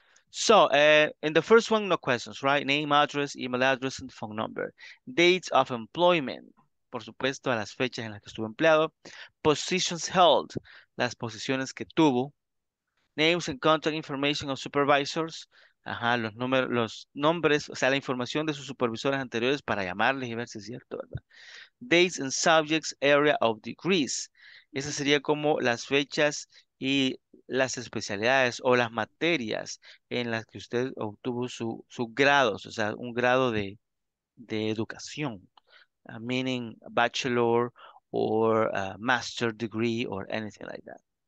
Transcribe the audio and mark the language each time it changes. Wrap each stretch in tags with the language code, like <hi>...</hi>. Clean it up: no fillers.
<en>So, in the first one, no questions, right? Name, address, email address, and phone number. Dates of employment.</en> <es>Por supuesto, a las fechas en las que estuvo empleado.</es> <en>Positions held.</en> <es>Las posiciones que tuvo.</es> <en>Names and contact information of supervisors.</en> <es>Ajá, los números, los nombres, o sea, la información de sus supervisores anteriores para llamarles y ver si es cierto, ¿verdad?</es> <en>Dates and subjects, area of degrees.</en> <es>Esa sería como las fechas y las especialidades o las materias en las que usted obtuvo sus grados, o sea, un grado de educación.</es> <en>Meaning bachelor or master degree or anything like that.</en>